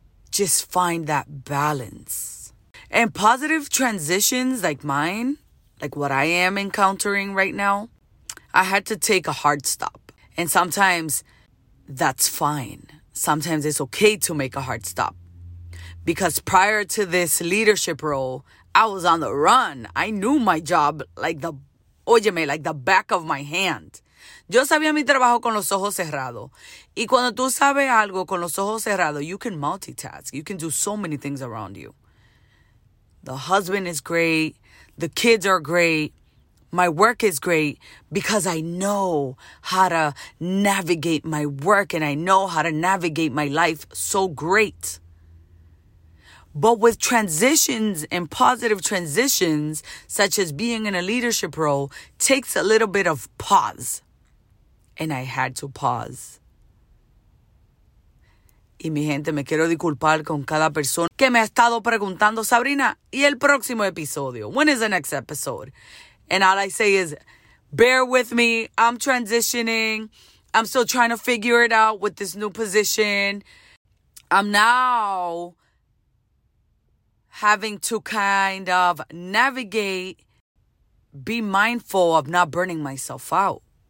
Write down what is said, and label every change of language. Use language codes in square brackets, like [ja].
[en] Just find that balance. And positive transitions like mine, like what I am encountering right now, I had to take a hard stop. And sometimes that's fine. Sometimes it's okay to make a hard stop. Because prior to this leadership role, I was on the run. I knew my job like the back of my hand. [es] Yo sabía mi trabajo con los ojos cerrados. Y cuando tú sabes algo con los ojos cerrados, [en] you can multitask. You can do so many things around you. The husband is great. The kids are great. My work is great because I know how to navigate my work and I know how to navigate my life so great. But with transitions and positive transitions, such as being in a leadership role, takes a little bit of pause. And I had to pause. [es] Y mi gente, me quiero disculpar con cada persona que me ha estado preguntando, Sabrina, ¿y el próximo episodio? [en] When is the next episode? And all I say is, bear with me. I'm transitioning. I'm still trying to figure it out with this new position. I'm now having to kind of navigate, be mindful of not burning myself out.